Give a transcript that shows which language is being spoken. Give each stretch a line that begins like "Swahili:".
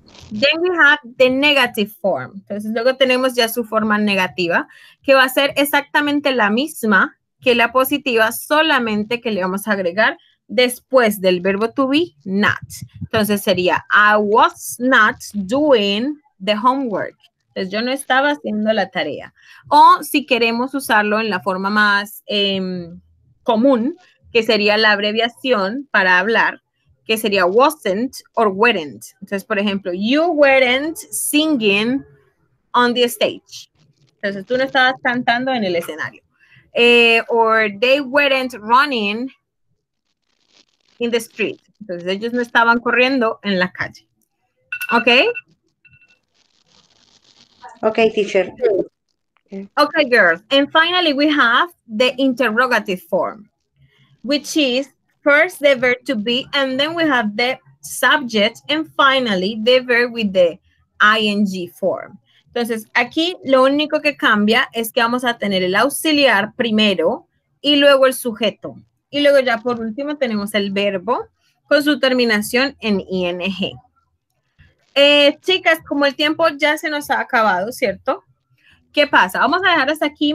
English: Then we have the negative form.
Spanish: Entonces, luego tenemos ya su forma negativa, que va a ser exactamente la misma que la positiva, solamente que le vamos a agregar después del verbo to be, not. Entonces, sería,
English: I was not doing the homework.
Spanish: Entonces, yo no estaba haciendo la tarea. O si queremos usarlo en la forma más común, que sería la abreviación para hablar, que sería wasn't or weren't. Entonces, por ejemplo,
English: you weren't singing on the stage.
Spanish: Entonces, tú no estabas cantando en el escenario.
English: Or they weren't running in the street.
Spanish: Entonces, ellos no estaban corriendo en la calle.
English: ¿Ok? Ok, teacher. Ok, girls. And finally, we have the interrogative form, which is first the verb to be, and then we have the subject, and finally the verb with the ing form.
Spanish: Entonces, aquí lo único que cambia es que vamos a tener el auxiliar primero y luego el sujeto. Y luego ya por último tenemos el verbo con su terminación en ing. Chicas, como el tiempo ya se nos ha acabado, ¿cierto? ¿Qué pasa? Vamos a dejar hasta aquí.